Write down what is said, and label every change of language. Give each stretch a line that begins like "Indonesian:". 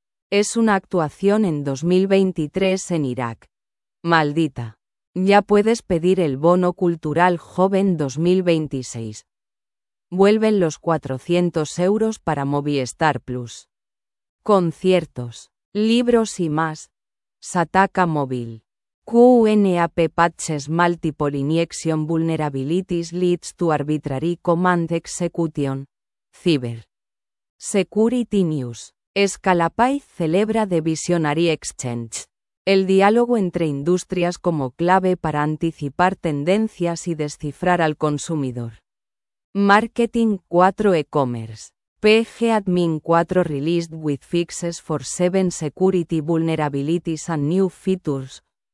Spanish: Es una actuación en 2023 en Irak. Maldita. Ya puedes pedir el bono cultural joven 2026. Vuelven los 400 euros para Movistar Plus. Conciertos, libros y más. Sataka Móvil.
English: QNAP patches multiple injection vulnerabilities leads to arbitrary command execution.
Spanish: Cyber. Security News. Scalapy celebra The Visionary Exchange. El diálogo entre industrias como clave para anticipar tendencias y descifrar al consumidor. Marketing 4 e-commerce.
English: PG Admin 4 released with fixes for 7 security vulnerabilities and new features.